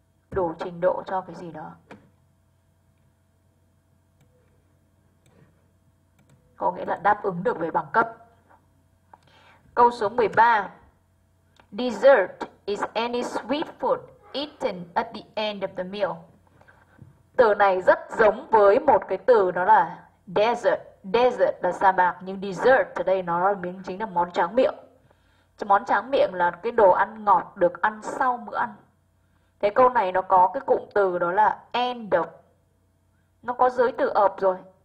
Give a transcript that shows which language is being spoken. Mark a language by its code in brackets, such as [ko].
[vi] Đủ trình độ cho cái gì đó. Có nghĩa là đáp ứng được về bằng cấp. Câu số 13. [en] Dessert is any sweet food eaten at the end of the meal. [vi] Từ này rất giống với một cái từ đó là desert. Desert là sa mạc nhưng dessert ở đây nó là miếng chính là món tráng miệng. Cho món tráng miệng là cái đồ ăn ngọt được ăn sau bữa ăn. Thế câu này nó có cái cụm từ đó là end of. Nó có giới từ of rồi.